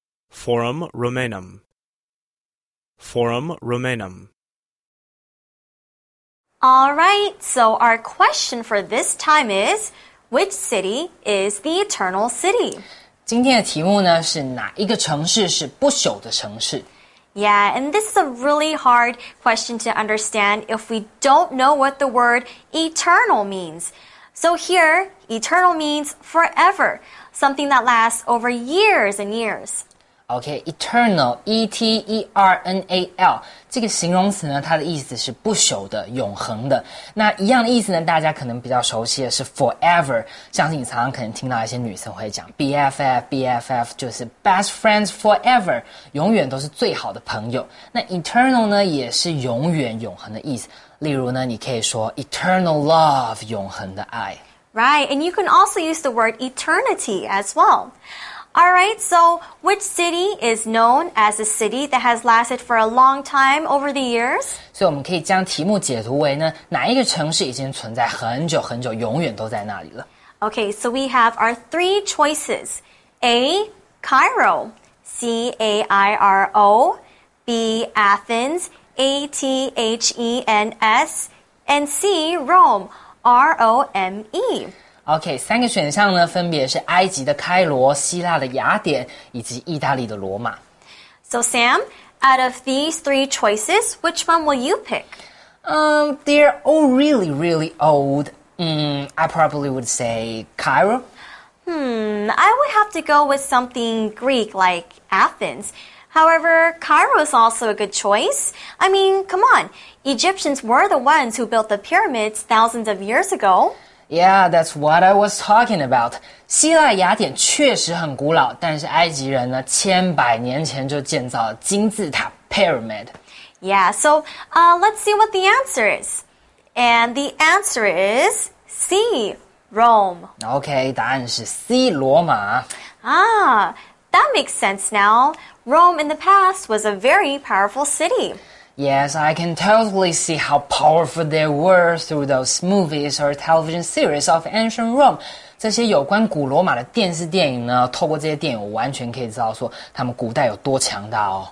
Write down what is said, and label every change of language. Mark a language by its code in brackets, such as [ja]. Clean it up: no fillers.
[la] Forum Romanum. Forum Romanum. [en] All right, so our question for this time is... Which city is the Eternal City? [zh] 今天的题目呢是哪一个城市是不朽的城市? [en] Yeah, and this is a really hard question to understand if we don't know what the word eternal means. So here, eternal means forever, something that lasts over years and years. [zh] Okay, eternal, E-T-E-R-N-A-L, 这个形容词呢，它的意思是不朽的、永恒的。那一样的意思呢，大家可能比较熟悉的是 forever, 相信你常常可能听到一些女生会讲 BFF, 就是 [en] best friends forever, [zh] 永远都是最好的朋友。那 eternal 呢，也是永远、永恒的意思。例如呢，你可以说 [en] eternal love, [zh] 永恒的爱。 [en] Right, and you can also use the word eternity as well. Alright, so which city is known as a city that has lasted for a long time over the years? [zh] 所以我们可以将题目解读为呢，哪一个城市已经存在很久很久，永远都在那里了。 [en] Okay, so we have our three choices. A, Cairo, C-A-I-R-O, B, Athens, A-T-H-E-N-S, and C, Rome, R-O-M-E. [zh] Okay, 三个选项呢分别是埃及的开罗、希腊的雅典以及意大利的罗马。 [en] So Sam, out of these three choices, which one will you pick? They're all really, really old. I probably would say Cairo. I would have to go with something Greek like Athens. However, Cairo is also a good choice. I mean, come on, Egyptians were the ones who built the pyramids thousands of years ago. Yeah, that's what I was talking about. [zh] 希腊雅典确实很古老，但是埃及人呢，千百年前就建造了金字塔 pyramid. [en] Yeah, so, let's see what the answer is. And the answer is C, Rome. [zh] Okay, 答案是 C, 罗马。 [en] Ah, that makes sense now. Rome in the past was a very powerful city. Yes, I can totally see how powerful they were through those movies or television series of ancient Rome. [zh] 这些有关古罗马的电视电影呢，透过这些电影，我完全可以知道说他们古代有多强大哦。